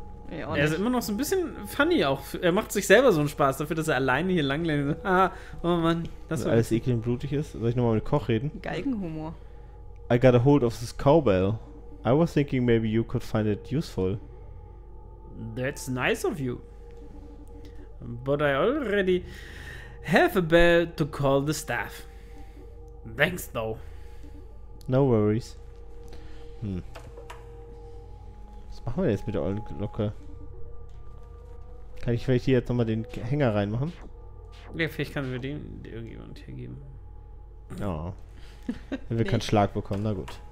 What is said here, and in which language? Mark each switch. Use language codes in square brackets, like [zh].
[de] Er ist immer noch so ein bisschen funny auch. Er macht sich selber so einen Spaß dafür, dass er alleine hier langlädt. Oh Mann. Das alles eklig und blutig ist. Soll ich nochmal mit Koch reden? Geigenhumor. [en] I got a hold of this cowbell. I was thinking maybe you could find it useful. That's nice of you. But I already have a bell to call the staff. Thanks, though. No worries. [de] Was machen wir jetzt mit der alten Glocke? Kann ich vielleicht hier jetzt nochmal den Hänger reinmachen? Ja, vielleicht können wir den irgendjemand hier geben. Ja. Oh. Wenn wir keinen Schlag bekommen, na gut.